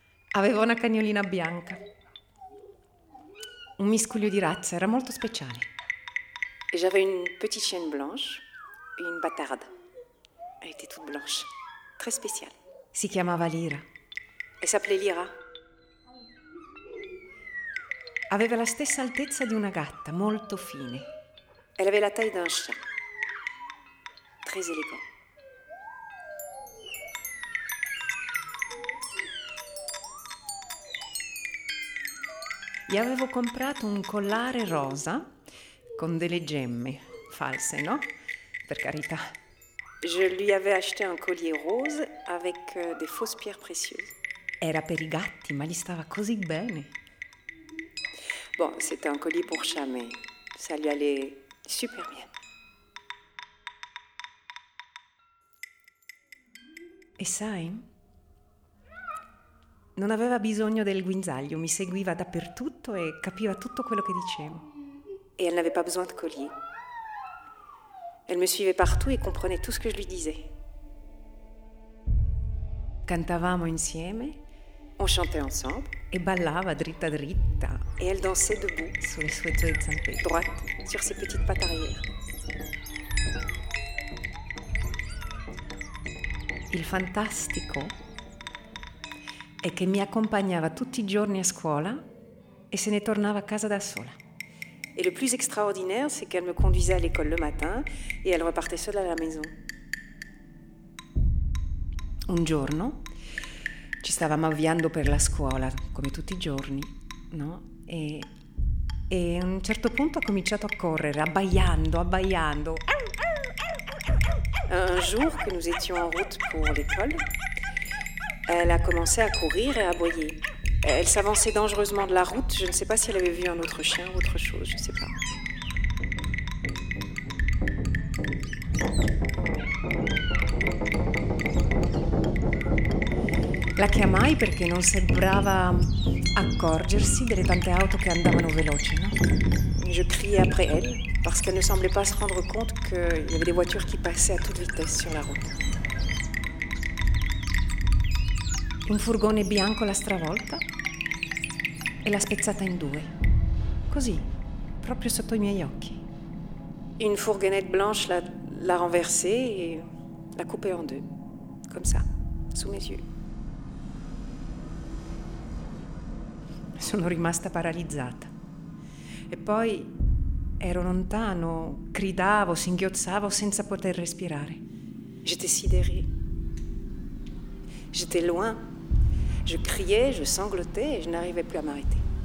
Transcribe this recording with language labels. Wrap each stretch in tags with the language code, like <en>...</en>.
<it>Avevo una cagnolina bianca. Un miscuglio di razza, era molto speciale.</it> <fr>Et j'avais une petite chienne blanche et une bâtarde. Elle était toute blanche, très spéciale.</fr> <it>Si chiamava Lira.</it> <fr>Elle s'appelait Lira.</fr> <it>Aveva la stessa altezza di una gatta, molto fine.</it> <fr>Elle avait la taille d'un chat, très élégant.</fr> <it>Gli avevo comprato un collare rosa con delle gemme false, no? Per carità.</it> <fr>Je lui avais acheté un collier rose avec des fausses pierres précieuses.</fr> <it>Era per i gatti, ma gli stava così bene.</it> <fr>Bon, c'était un collier pour chat, mais ça lui allait super bien.</fr> <it>E sai? Non aveva bisogno del guinzaglio, mi seguiva dappertutto e capiva tutto quello che dicevo.</it> <fr>E elle n'avait pas besoin de collier. Elle me suivait partout et comprenait tout ce que je lui disais.</fr> <it>Cantavamo insieme,</it> <fr>on chantait ensemble</fr> <it>et ballava dritta dritta.</it> <fr>Et elle dansait debout sur les</fr> <it>sue zampe,</it> <fr>droite sur ses petites pattes arrière.</fr> <it>Il fantastico è che mi accompagnava tutti i giorni a scuola e se ne tornava a casa da sola.</it> <fr>Et le plus extraordinaire, c'est qu'elle me conduisait à l'école le matin et elle repartait seule à la maison.</fr> <it>Un giorno, ci stavamo avviando per la scuola, come tutti i giorni, no? E a un certo punto ha cominciato a correre, abbaiando.</it> <fr>Un jour que nous étions en route pour l'école, elle a commencé à courir et à aboyer. Elle s'avançait dangereusement de la route. Je ne sais pas si elle avait vu un autre chien ou autre chose, je ne sais pas.</fr> <it>La chiamai perché non sembrava accorgersi delle tante auto che andavano veloci, no?</it> <fr>Je criai après elle parce qu'elle ne semblait pas se rendre compte qu'il y avait des voitures qui passaient à toute vitesse sur la route.</fr> <it>Un furgone bianco l'ha stravolta e l'ha spezzata in due. Così, proprio sotto i miei occhi.</it> <fr>Une fourgonnette blanche l'a renversée et l'a coupée en deux. Comme ça, sous mes yeux.</fr> <it>Sono rimasta paralizzata. E poi ero lontano, gridavo, singhiozzavo senza poter respirare.</it> <fr>J'étais sidérée. J'étais loin. Je criais, je sanglotais et je n'arrivais plus à m'arrêter.</fr>